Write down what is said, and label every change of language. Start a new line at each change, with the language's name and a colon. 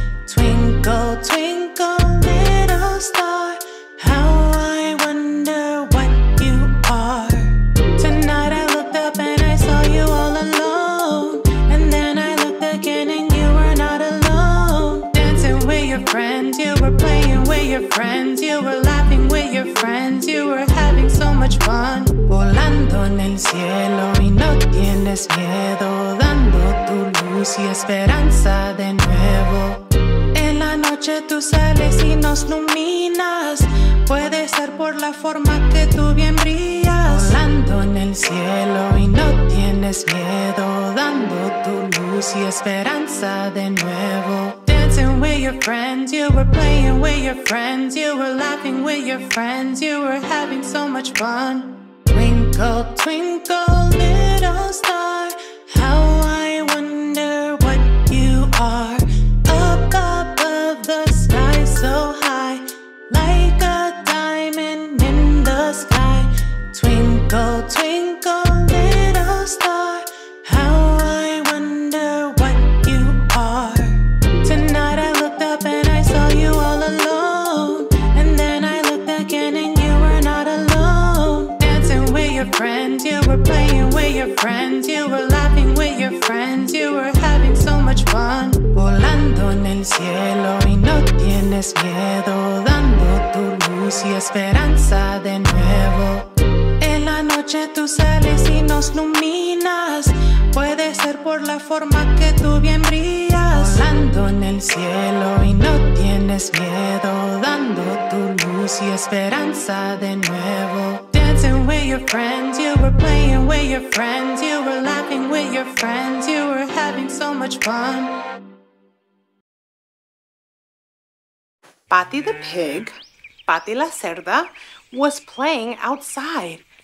English: Twinkle, twinkle, little star, how I wonder what you are. Tonight I looked up and I saw you all alone, and then I looked again and you were not alone. Dancing with your friends, you were playing with your friends, you were laughing with your friends, you were having so much fun.
Spanish: Volando en el cielo y no tienes miedo, dando tu luz y esperanza de nuevo. noche tú sales y nos iluminas. Puede ser por la forma que tú bien brillas. Volando en el cielo y no tienes miedo, dando tu luz y esperanza de nuevo.
English: Dancing with your friends, you were playing with your friends, you were laughing with your friends, you were having so much fun. Twinkle, twinkle, little star, how I wonder what you are. Up above the sky so high, like a diamond in the sky. Twinkle, twinkle, little star, how I wonder what you are. Tonight I looked up and I saw you all alone. And then I looked again and you were not alone. Dancing with your friends, you were playing with your friends, you were laughing with your friends, you were having so much fun.
Spanish: Volando en el cielo y no tienes miedo, dando tu luz y esperanza de nuevo. Tú sales y nos iluminas. Puede ser por la forma que tú bien brillas. Volando en el cielo y no tienes miedo, dando tu luz y esperanza de nuevo.
English: Dancing with your friends, you were playing with your friends, you were laughing with your friends, you were having so much fun. Patty the pig, Patty
Spanish: la cerda,
English: was playing outside.